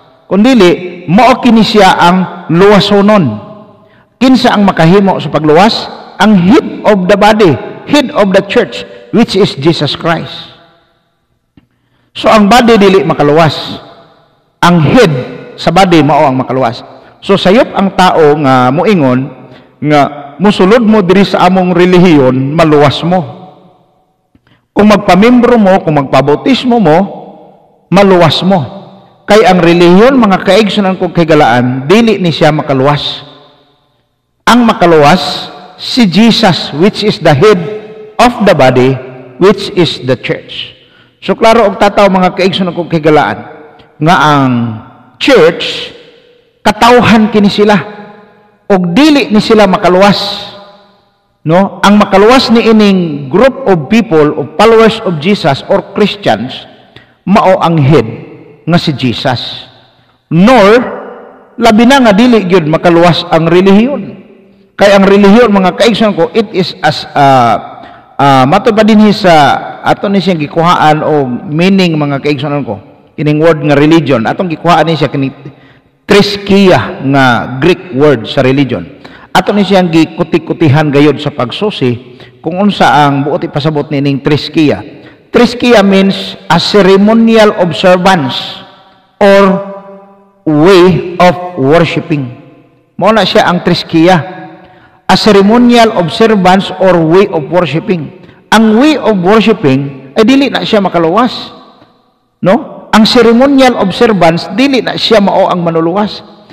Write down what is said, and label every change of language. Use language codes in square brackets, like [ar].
[ceb] Kundili, maokini siya ang luwasonon. Kinsa ang makahimo sa pagluwas? [en] Ang head of the body, head of the church, which is Jesus Christ. [ceb] So ang body dili makaluwas. Ang head sa body mao ang makaluwas. So sayop ang tao nga muingon nga musulod mo diri sa among relihiyon, maluwas mo. Kung magpamembro mo, kung magpabautismo mo, maluwas mo. Kay ang relihiyon, mga kaigsoon ang kagalaan, dili ni siya makaluwas. Ang makaluwas, si Jesus, [en] which is the head of the body, which is the church. [ceb] So klaro og tataw, mga kaigsoon ang kagalaan, nga ang church, katauhan kini sila. Og dili ni sila makaluwas. No? Ang makaluwas ni ining [en] group of people, of followers of Jesus or Christians, [ceb] mao ang head nga si Jesus. Nor, labi na nga dili yun makaluwas ang relihiyon. Kaya ang relihiyon, mga kaigsoon ko, it is as matod pa din sa ato ni siyang gikuhaan o meaning, mga kaigsoon ko, ining word nga religion. Atong gikuhaan ni siya kini Triskiya nga Greek word sa religion. Ato ni siyang gikuti-kutihan gayod sa pagsusi kung unsa ang buot ipasabot ni ning Triskiya. [en] Triskiya means a ceremonial observance or way of worshiping. [ceb] Mauna siya ang Triskiya. [en] A ceremonial observance or way of worshiping. [ceb] Ang way of worshiping ay dili na siya makaluwas. No? Ang ceremonial observance, dili na siya mao ang manuluwas.